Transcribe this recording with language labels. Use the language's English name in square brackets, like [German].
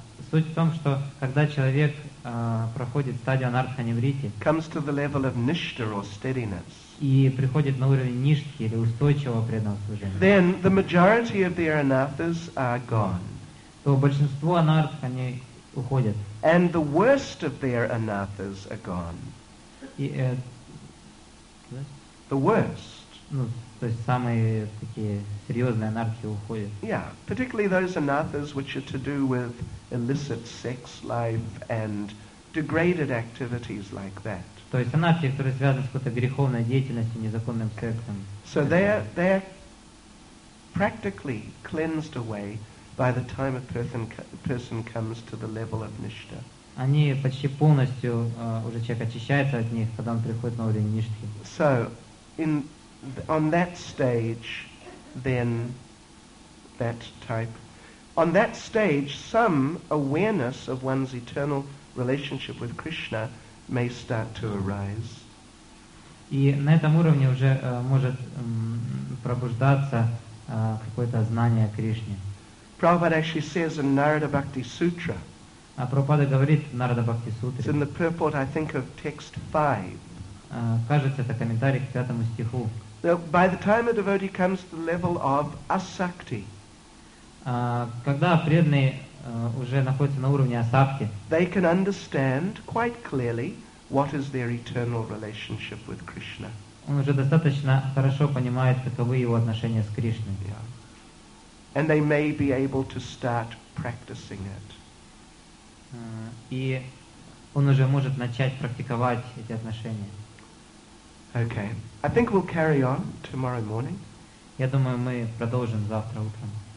[Russian] суть в том, что когда человек проходит стадию анартханиврити, [English] comes to the level of nishtha or steadiness, [Russian] и приходит на уровень ништхи или устойчивого преданного служения, [English] then the majority of their anarthas are gone. [Russian] То большинство анартх они уходят. [English] And the worst of their anarthas are gone. [Russian] И, [English] the worst. [Russian] Ну, то есть самые такие серьезные анархии уходят. [English] Yeah, particularly those anathas which are to do with illicit sex life and degraded activities like that. [Russian] То есть анархии, которые связаны с какой-то греховной деятельностью, незаконным сексом. [English] So they're practically cleansed away by the time a person comes to the level of nishtha. [Russian] Они почти полностью, уже человек очищается от них, когда он приходит на уровень ништхи. [English] So, on that stage, then, that type. On that stage, some awareness of one's eternal relationship with Krishna may start to arise. [Russian] И на этом уровне уже может пробуждаться какое-то знание о Кришне. [English] Prabhupada actually says in Narada Bhakti Sutra, [Russian] а Прабхупада говорит в Нарада Бхакти Сутре, [English] it's in the purport, I think, of text 5, [Russian] кажется, это комментарий к 5 стиху, [English] so by the time a devotee comes to the level of asakti, [Russian] когда преданный уже находится на уровне асакти, [English] they can understand quite clearly what is their eternal relationship with Krishna. [Russian] Он уже достаточно хорошо понимает, каковы его отношения с Кришной. [English] Yeah. And they may be able to start practicing it. [Russian] И он уже может начать практиковать эти отношения. [English] Okay. I think we'll carry on tomorrow morning. [Russian] Я думаю, мы продолжим завтра утром.